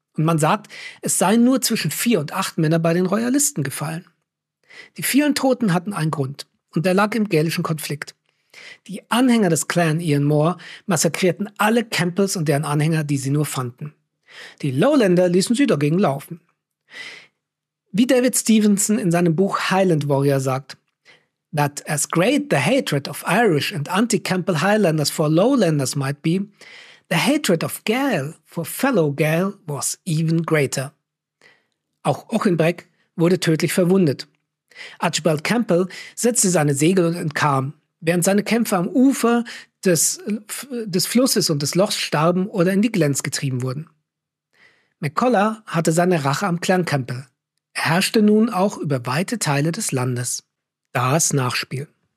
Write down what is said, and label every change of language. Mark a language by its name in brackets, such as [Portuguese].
[German] Und man sagt, es seien nur zwischen 4 und 8 Männer bei den Royalisten gefallen. Die vielen Toten hatten einen Grund. Und der lag im gälischen Konflikt. Die Anhänger des Clan Ian Mor massakrierten alle Campbells und deren Anhänger, die sie nur fanden. Die Lowlander ließen sie dagegen laufen. Wie David Stevenson in seinem Buch Highland Warrior sagt, [English] that as great the hatred of Irish and anti-Campbell Highlanders for Lowlanders might be, the hatred of Gael for fellow Gael was even greater. [German] Auch Auchinbreck wurde tödlich verwundet. Archibald Campbell setzte seine Segel und entkam, während seine Kämpfer am Ufer des Flusses und des Lochs starben oder in die Glens getrieben wurden. McCullough hatte seine Rache am Clan Campbell. Er herrschte nun auch über weite Teile des Landes. Das Nachspiel.